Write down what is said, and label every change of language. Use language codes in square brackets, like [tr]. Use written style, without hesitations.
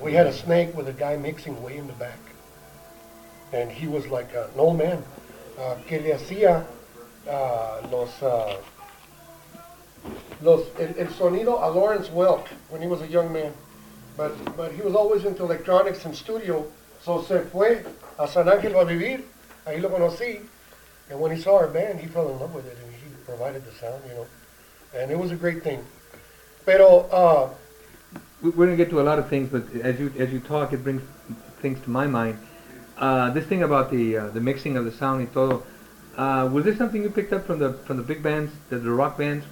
[en] we had a snake with a guy mixing way in the back, and he was like an old man. [es] Que le hacía el sonido a [en] Lawrence Welk when he was a young man, but he was always into electronics and studio. [es] So se fue a San Angelo a vivir. Ahí lo conocí, [en] and when he saw our band, he fell in love with it, and he provided the sound, you know, and it was a great thing. [es] Pero [en] we're going to get to a lot of things, but as you talk, it brings things to my mind. This thing about the mixing of the sound [es] y todo, [en] was this something you picked up from the big bands, the rock bands?